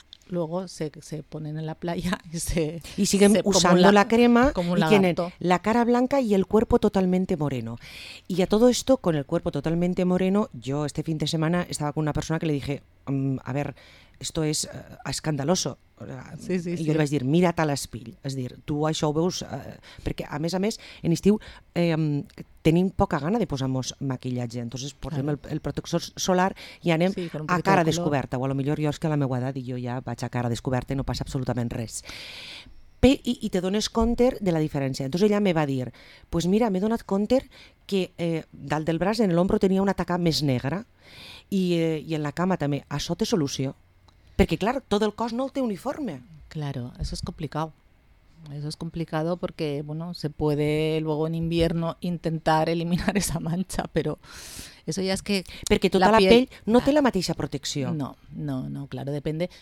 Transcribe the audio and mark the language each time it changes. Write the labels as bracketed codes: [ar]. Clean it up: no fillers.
[es] luego se ponen en la playa y siguen usando la crema y tienen la cara blanca y el cuerpo totalmente moreno. Y a todo esto, con el cuerpo totalmente moreno, yo este fin de semana estaba con una persona que le dije, a ver, esto es escandaloso. Sí, y yo [ca] le vaig dir, mira't a l'espill. És a dir, tu això ho veus... perquè, a més, en estiu tenim poca gana de posar-nos maquillatge. Entonces, posem el protector solar i anem a cara descoberta. O a lo millor jo és que a la meva edat i jo ja vaig a cara descoberta i no passa absolutament res. I te dones compte de la diferència. Entonces ella me va dir, pues mira, m'he donat compte que dalt del braç, en l'ombro, tenia una taca més negra i en la cama també. Això té solució. [es] Porque claro, todo el cos no tiene uniforme. Claro, eso es complicado. Eso es complicado porque, bueno, se puede luego en invierno intentar eliminar esa mancha, pero eso ya es que... Porque toda la piel no tiene la misma protección. No, claro, depende.